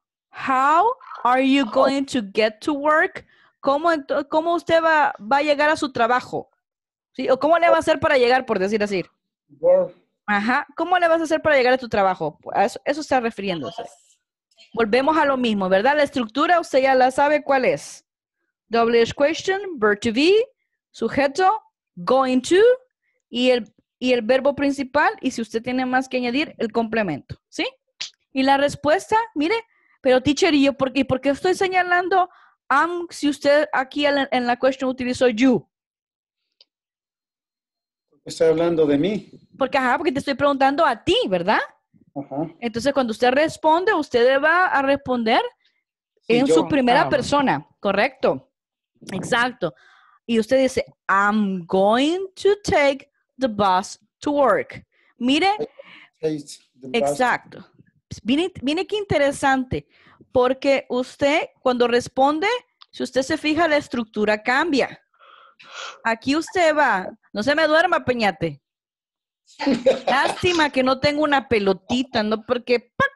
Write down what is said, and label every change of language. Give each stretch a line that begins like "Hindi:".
English: How are you going to get to work?
Spanish: ¿Cómo usted va a llegar a su trabajo? ¿Sí? ¿O cómo le va a hacer para llegar, por decir así? Ajá. ¿Cómo le vas a hacer para llegar a tu trabajo? Eso está refiriéndose. Volvemos a lo mismo, ¿verdad? La estructura, usted ya la sabe cuál es.
English: WH question, verb to be,
Spanish: sujeto, going to, y el verbo principal, y si usted tiene más que añadir, el complemento, ¿sí? Y la respuesta, mire... Pero, teacher, ¿y yo por qué estoy señalando am si usted aquí en la question utilizó you? Estoy hablando de mí. Porque te estoy preguntando a ti, ¿verdad? Ajá. Entonces, cuando usted responde, usted va a responder en su primera persona, ¿correcto? Exacto. Y usted dice,
English: I'm going to take the bus to work.
Spanish: Mire. Exacto. Mire qué interesante, porque usted cuando responde, si usted se fija, la estructura cambia. Aquí usted va, no se me duerma, Peñate. Lástima que no tengo una pelotita, no porque ¡pac!